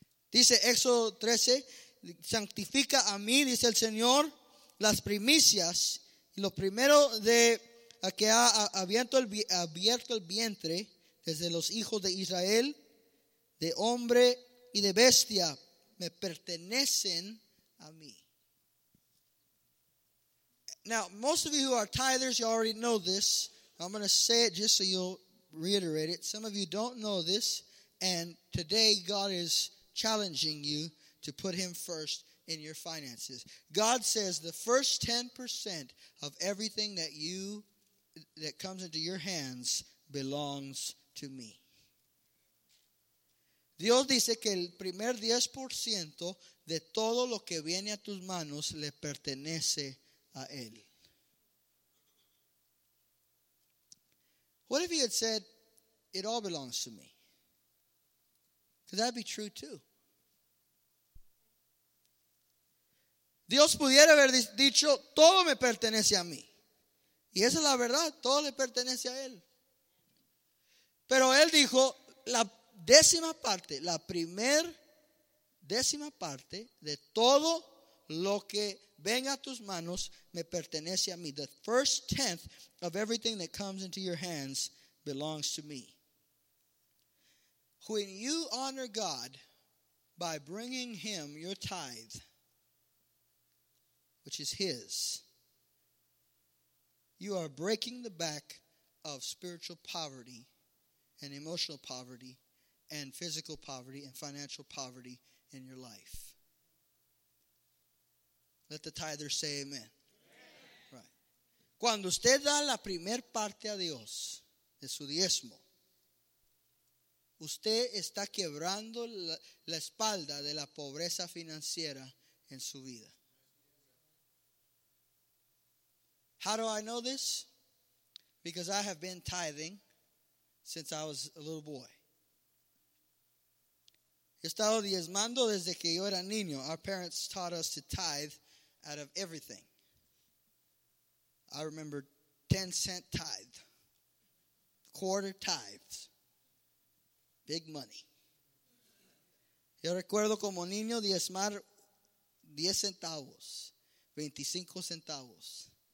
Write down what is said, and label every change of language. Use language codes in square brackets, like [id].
[es] Dice Éxodo 13, sanctifica a mí, dice el Señor, las primicias. Lo primero de que ha abierto el vientre desde los hijos de Israel, de hombre y de bestia, me pertenecen a mí. [en] Now, most of you who are tithers, you already know this. I'm going to say it just so you'll reiterate it. Some of you don't know this, and today God is challenging you to put him first in your finances. God says the first 10% of everything that comes into your hands belongs to me. [es] Dios dice que el primer 10% de todo lo que viene a tus manos le pertenece a él. [en] What if he had said, it all belongs to me? Could that be true too? [es] Dios pudiera haber dicho, todo me pertenece a mí. Y esa es la verdad, todo le pertenece a él. Pero él dijo, la décima parte, la primer décima parte de todo lo que venga a tus manos me pertenece a mí. [en] The first tenth of everything that comes into your hands belongs to me. When you honor God by bringing him your tithe, which is his, you are breaking the back of spiritual poverty and emotional poverty and physical poverty and financial poverty in your life. Let the tither say amen. Amen. Right. [es] Cuando usted da la primer parte a Dios de su diezmo, usted está quebrando la espalda de la pobreza financiera en su vida. [en] How do I know this? Because I have been tithing since I was a little boy. [es] He estado diezmando desde que yo era niño. [en] Our parents taught us to tithe out of everything. I remember 10 cent tithe, quarter tithes, big money. [es] Yo recuerdo como niño diezmar 10 centavos, 25 centavos.